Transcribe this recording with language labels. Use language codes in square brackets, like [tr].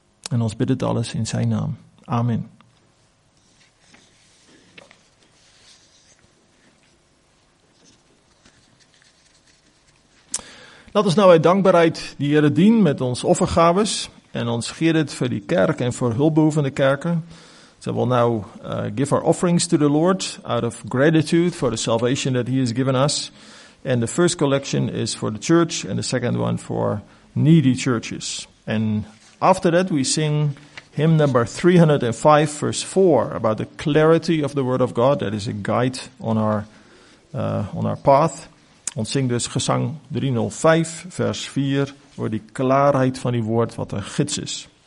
[af] En ons bid het alles in zijn naam. Amen. Laat ons nou uit dankbaarheid die Heere dien met ons offergaves en ons gee dit voor die kerk en voor hulpbehoevende kerken. [en] So we'll now give our offerings to the Lord out of gratitude for the salvation that he has given us. And the first collection is for the church and the second one for needy churches. And after that we sing hymn number 305 verse 4 about the clarity of the word of God that is a guide on our path. [af] Ons zingt dus gezang 305 vers 4 voor die klaarheid van die woord wat een gids is.